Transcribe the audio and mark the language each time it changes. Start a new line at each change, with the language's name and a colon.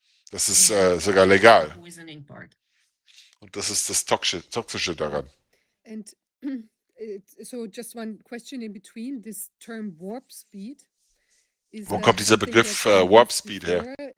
German: Das ist sogar legal. Und das ist das Toxische daran.
English: And so just one question in between, this term warp speed.
German: Wo kommt dieser Begriff Warp Speed her?